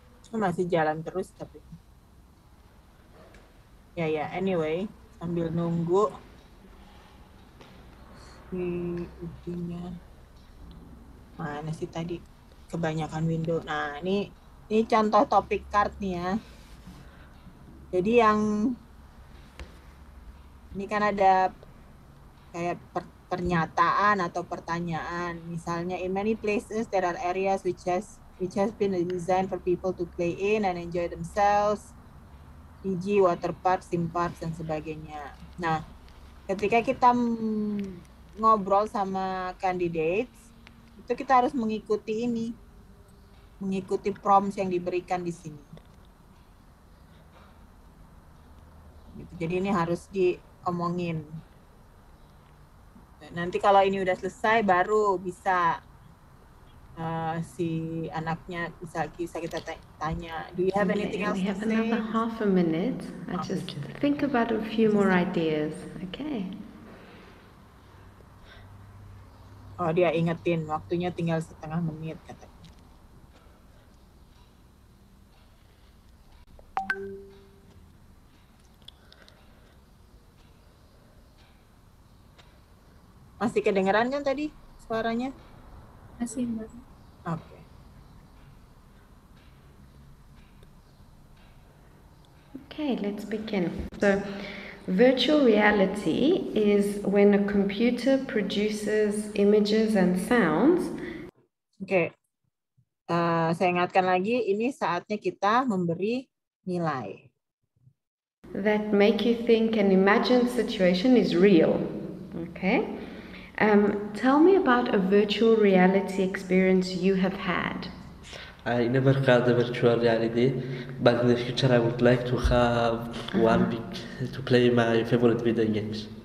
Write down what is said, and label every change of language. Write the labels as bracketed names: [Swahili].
[Indonesian] Masih jalan terus tapi ya anyway sambil nunggu si ujungnya mana sih tadi kebanyakan window. Nah ini contoh topik card nih ya. Jadi yang ini kan ada kayak pernyataan atau pertanyaan. Misalnya, [English] in many places there are areas which has been designed for people to play in and enjoy themselves, e.g. water park, theme park, [Indonesian] dan sebagainya. Nah, ketika kita ngobrol sama candidates, itu kita harus mengikuti ini, mengikuti prompts yang diberikan di sini. Jadi ini harus diomongin. Nanti kalau ini udah selesai, baru bisa si anaknya bisa kita tanya. [English] Do you have anything else? We have another half a minute. I just think about a few more ideas. Okay. [Indonesian] Oh, dia ingetin waktunya tinggal setengah menit kata. Masih kedengeran kan tadi suaranya? Masih, Mbak. Oke. [English] Okay, let's begin. So, virtual reality is when a computer produces images and sounds. Okay. [Indonesian] Saya ingatkan lagi, ini saatnya kita memberi nilai. [English] That make you think and imagine situation is real. Okay. Tell me about a virtual reality experience you have had. I never had a virtual reality, but in the future I would like to have one to play my favorite video games.